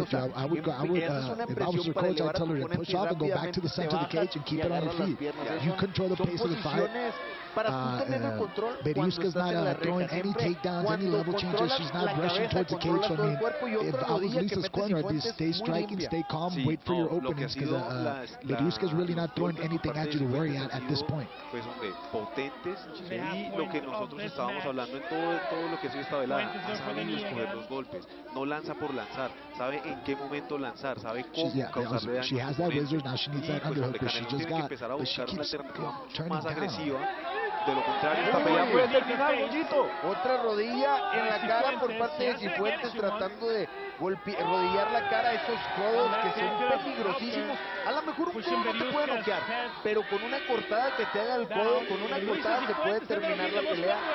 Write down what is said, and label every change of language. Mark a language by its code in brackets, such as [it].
[es] O sea, esa es una presión para elevar a tu oponente y rápidamente te bajas y agarras las piernas. Son posiciones para tú tener el control cuando estás en la reja. Siempre cuando controlas la cabeza, controlas todo el cuerpo y otra rodilla que metes Cifuentes muy limpia. [en] Stay calm, wait for your openings, because Veriuska's really not throwing anything at you to worry at this point. [es] Pues hombre, potentes, y lo que nosotros estábamos hablando en todo lo que ha sido esta velada, ha sabido escoger los golpes, no lanza por lanzar, sabe en qué momento lanzar, sabe cómo causarle daño. [en] She has that wizard, now she needs that underhook, but she just got, but she keeps turning [es] más agresiva. De lo contrario, esta pelea puede terminar, Goyito. Otra rodilla en la cara por parte de Cifuentes, tratando de rodillar la cara, esos codos que son peligrosísimos. A lo mejor un codo no te puede noquear, pero con una cortada que te haga el codo, con una cortada se puede terminar la pelea.